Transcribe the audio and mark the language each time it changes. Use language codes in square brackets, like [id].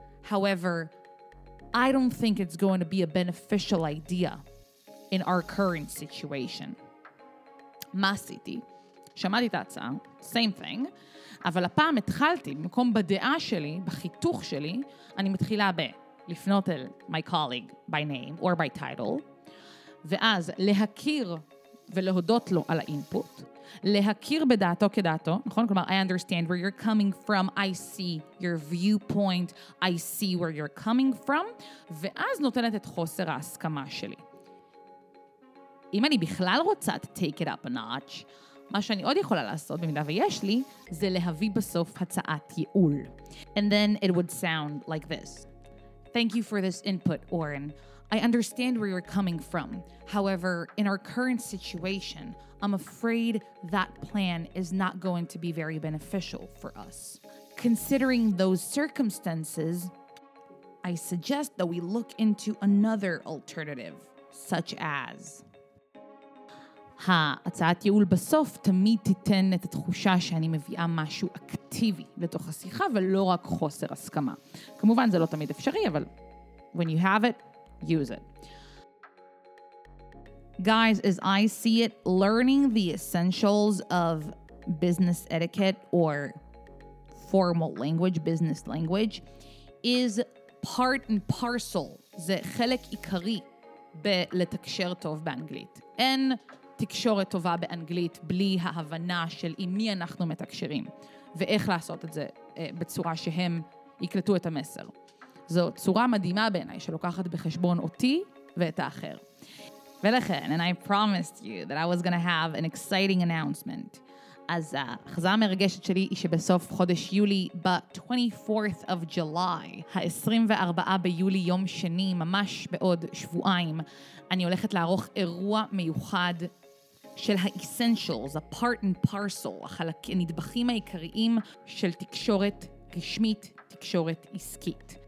[en] However, I don't think it's going to be a beneficial idea in our current situation. [he] מה עשיתי? שמעתי את ההצעה, [en] same thing, [he] אבל הפעם התחלתי, במקום בדעה שלי, בחיתוך שלי, אני מתחילה ב- לפנות אל [en] my colleague by name or by title, [he] ואז להכיר ולהודות לו על האינפוט, להכיר בדעתו כדעתו, נכון? כלומר, [en] I understand where you're coming from, I see your viewpoint, I see where you're coming from, [he] ואז נותנת את חוסר ההסכמה שלי. אם אני בכלל רוצה [en] to take it up a notch, [he] מה שאני עוד יכולה לעשות, במידה ויש לי, זה להביא בסוף הצעת ייעול. [en] And then it would sound like this. Thank you for this input, Oren. I understand where you're coming from. However, in our current situation, I'm afraid that plan is not going to be very beneficial for us. Considering those circumstances, I suggest that we look into another alternative, such as... [he] הצעת ייעול בסוף תמיד תיתן את התחושה שאני מביאה משהו אקטיבי לתוך השיחה ולא רק חוסר הסכמה. כמובן זה לא תמיד אפשרי, אבל [en] when you have it, use it. Guys, as I see it, learning the essentials of business etiquette or formal language, business language, is part and parcel. [he] זה חלק עיקרי בלתקשר טוב באנגלית. אין תקשורת טובה באנגלית בלי ההבנה של עם מי אנחנו מתקשרים ואיך לעשות את זה בצורה שהם יקלטו את המסר. זו צורה מדהימה בעיניי שלוקחת בחשבון אותי ואת האחר. ולכן, [en] and I promised you that I was going to have an exciting announcement. [he] אז החזרה המרגשת שלי היא שבסוף חודש יולי, [en] ב-24th of July, [he] ה-24 ביולי יום שני, ממש בעוד שבועיים, אני הולכת לערוך אירוע מיוחד של ה-essentials, ה- [en] part and parcel, [he] הנדבכים העיקריים של תקשורת רשמית, תקשורת עסקית.